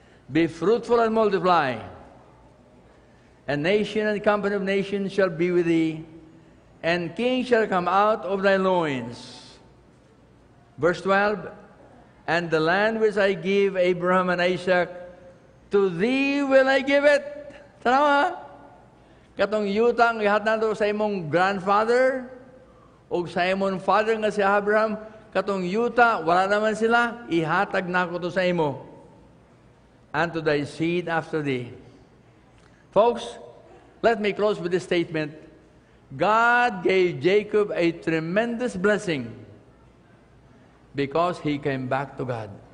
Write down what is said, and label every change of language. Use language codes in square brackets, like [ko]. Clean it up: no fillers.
[en] Be fruitful and multiply. A nation and company of nations shall be with thee, and kings shall come out of thy loins. Verse 12, and the land which I give Abraham and Isaac, to thee will I give it. [ceb] Tama? Katong yuta ang lahat nato sa imong grandfather o sa imong father nga si Abraham, katong yuta, wala naman sila, ihatag na ako to sa imo. [en] And to thy seed after thee. Folks, let me close with this statement. God gave Jacob a tremendous blessing because he came back to God.